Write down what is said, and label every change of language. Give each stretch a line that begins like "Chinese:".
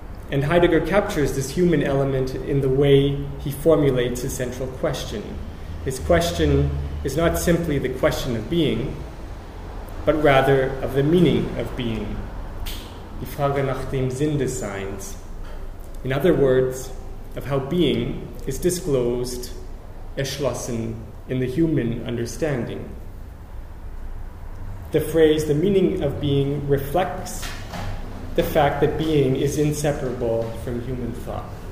English: And Heidegger captures this human element in the way he formulates his central question. His question is not simply the question of being, but rather of the meaning of being.
German: Die Frage nach dem Sinn des Seins.
English: In other words, of how being is disclosed, erschlossen, in the human understanding. The phrase, the meaning of being, reflects the fact that being is inseparable from human thought.